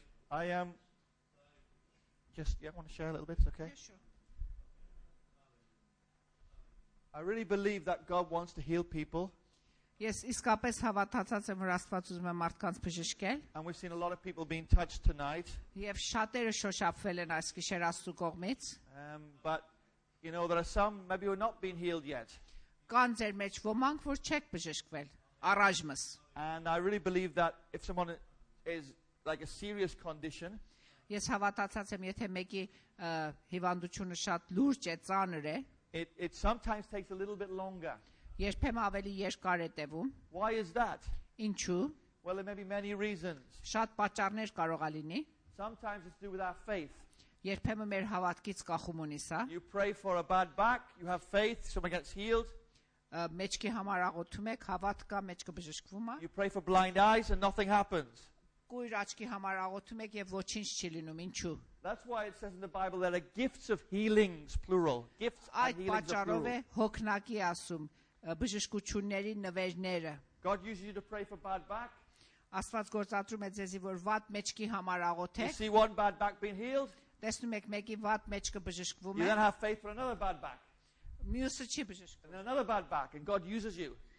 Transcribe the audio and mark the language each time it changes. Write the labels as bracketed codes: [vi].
[en] I am just, yeah, I want to share a little bit, okay? Yeah, sure. I really believe that God wants to heal people. [hy] Yes, իսկապես հավատացած եմ, որ Աստված ուզում է մարդկանց բժշկել. [en] And we've seen a lot of people being touched tonight. [hy] Եվ շատերը շոշափվել են այս գիշեր Աստծո կողմից. [en] But you know there are some maybe who have not been healed yet. [hy] Կան ձեր մեջ ոմանք, որ չեք բժշկվել առայժմս. [en] And I really believe that if someone is like a serious condition. [hy] Ես հավատացած եմ, եթե մեկի հիվանդությունը շատ լուրջ է, ծանր է. [en] It sometimes takes a little bit longer. [hy] Երբեմն ավելի երկար է տևում։ [en] Why is that? [hy] Ինչու? [en] Well, there may be many reasons. [hy] Շատ պատճառներ կարող է լինի։ [en] Sometimes it's due to our faith. [hy] Երբեմն մեր հավատքից կախում ունի սա։ [en] You pray for a bad back, you have faith, someone gets healed. [hy] Մեջքի համար աղոթում եք, հավատքը մեջքը բժշկվում է։ [en] You pray for blind eyes and nothing happens. [hy] Կույր աչքի համար աղոթում եք եւ ոչինչ չի լինում, ինչու? [en] That's why it says in the Bible that are gifts of healings plural. Gifts of healings plural. [hy] Այդ պատճառով է հոգնակի ասում։ Բժշկությունների նվերները [en] God uses you to pray for bad back. [hy] Աստված գործադրում է ձեզի, որ վատ մեջքի համար աղոթեք. [en] You see one bad back being healed. [hy] Տեսնում եք մեկի վատ մեջքը բժշկվում է. [en] You don't have faith for another bad back. [hy] Մյուսը չի բժշկվում. [en] And then another bad back and God uses you.